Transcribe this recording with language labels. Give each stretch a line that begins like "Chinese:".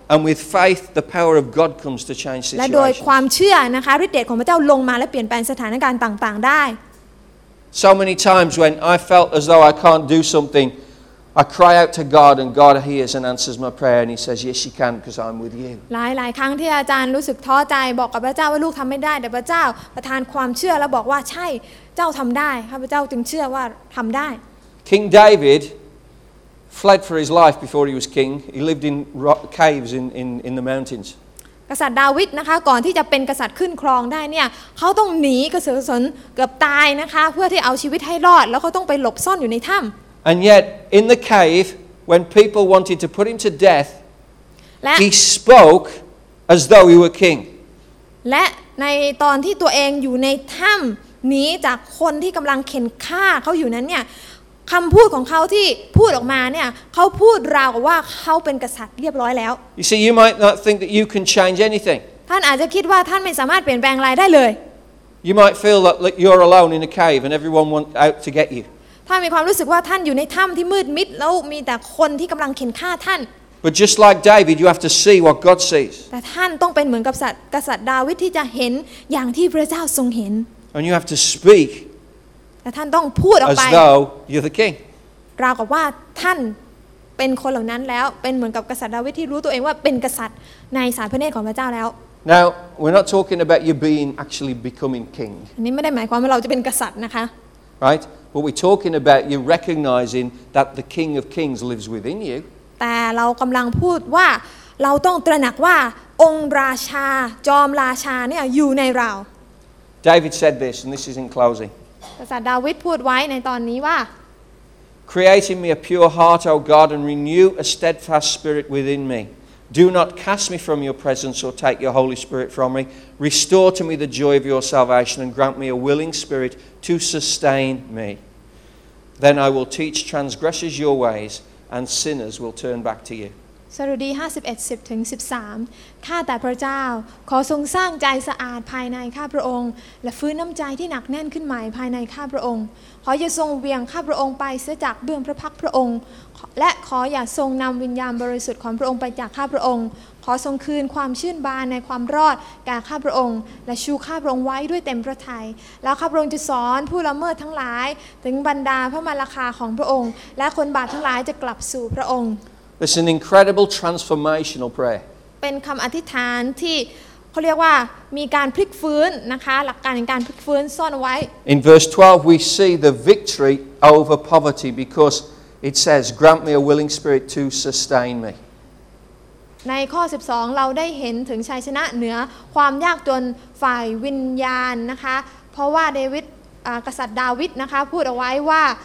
English: And with faith the power of God comes to change situations
Thai: และโดยความเชื่อนะคะฤทธิ์เดชของพระเจ้าลงมาและเปลี่ยนแปลงสถานการณ์ต่างๆได้
English: So many times when I felt as though I can't do somethingI cry out to God and God hears and answers my prayer and he says yes you can because I'm with you.
Thai: หลายหลายครั้งที่อาจารย์รู้สึกท้อใจบอกกับพระเจ้าว่าลูกทําไม่ได้แต่พระเจ้าประทานความเชื่อแล้วบอกว่าใช่เจ้าทําได้ข้าพเจ้าจึงเชื่อว่าทําได้
English: King David fled for his life before he was king. He lived in caves in the mountains.
Thai: กษัตริย์ดาวิดนะคะก่อนที่จะเป็นกษัตริย์ขึ้นครองได้เนี่ยเขาต้องหนีกระสือรนเกือบตายนะคะเพื่อที่เอาชีวิตให้รอดแล้วเขาต้องไปหลบซ่อนอยู่ในถ้ํา
English: And yet, in the cave, when people wanted to put him to death, he spoke as though he were king.
Thai: และในตอนที่ตัวเองอยู่ในถ้ำหนีจากคนที่กำลังเข็นฆ่าเขาอยู่นั้นเนี่ยคำพูดของเขาที่พูดออกมาเนี่ยเขาพูดราวกับว่าเขาเป็นกษัตริย์เรียบร้อยแล้ว
English: You see, you might not think that you can change anything.
Thai: ท่านอาจจะคิดว่าท่านไม่สามารถเปลี่ยนแปลงอะไรได้เลย
English: You might feel that you're alone in a cave and everyone wants out to get you.
Thai: ถ้ามีความรู้สึกว่าท่านอยู่ในถ้ำที่มืดมิดแล้วมีแต่คนที่กำลังเข็นฆ่าท่าน
English: But just like David you have to see what God sees
Thai: แต่ท่านต้องเป็นเหมือนกษัตริย์ดาวิดที่จะเห็นอย่างที่พระเจ้าทรงเห็น
English: And you have to speak
Thai: แต่ท่านต้องพูดออกไป
English: As though you're the king
Thai: ราวกับว่าท่านเป็นคนเหล่านั้นแล้วเป็นเหมือนกับกษัตริย์ดาวิดที่รู้ตัวเองว่าเป็นกษัตริย์ในสายพระเนตรของพระเจ้าแล้ว
English: Now we're not talking about you being actually becoming king
Thai: อันนี้ไม่ได้หมายความว่าเราจะเป็นกษัตริย์นะคะ
English: RightWhat we're talking about, you're recognizing that the King of Kings lives within you.
Thai: แต่เรากำลังพูดว่าเราต้องตระหนักว่าองค์ราชาจอมราชาเนี่ยอยู่ในเรา
English: David said this, and this is in closing.
Thai: กษัตริย์ดาวิดพูดไว้ในตอนนี้ว่า
English: Create in me a pure heart, O God, and renew a steadfast spirit within me. Do not cast me from your presence or take your Holy Spirit from me. Restore to me the joy of your salvation and grant me a willing spirit. To sustain me, then I will teach transgressors your ways, and sinners will turn back to you.
Thai: สดุดี 51:10-13 ข้าแต่พระเจ้าขอทรงสร้างใจสะอาดภายในข้าพระองค์และฟื้นน้ำใจที่หนักแน่นขึ้นใหม่ภายในข้าพระองค์ขออย่าทรงเวียงข้าพระองค์ไปเสียจากเบื้องพระพักพระองค์และขออย่าทรงนำวิญญาณบริสุทธิ์ของพระองค์ไปจากข้าพระองค์ขอทรงคืนความชื่นบานในความรอดแก่ข้าพระองค์และชูข้าพระองค์ไว้ด้วยเต็มพระทัยแล้วข้าพระองค์จะสอนผู้ละเมิดทั้งหลายถึงบรรดาพระมรรคาของพระองค์และคนบาปทั้งหลายจะกลับสู่พระองค์
English: It's an incredible transformational prayer.
Thai: เป็นคำอธิษฐานที่เขาเรียกว่ามีการพลิกฟื้นนะคะหลักการในการพลิกฟื้นซ่อนไว้
English: In verse 12 we see the victory over poverty because it says grant me a willing spirit to sustain me.
Thai: ในข้อ12เราได้เห็นถึงชัยชนะเหนือความยากจนฝ่ายวิญญาณนะคะเพราะว่าเดวิดกษัตริย์ดาวิดนะคะพูดเอาไว้ว่า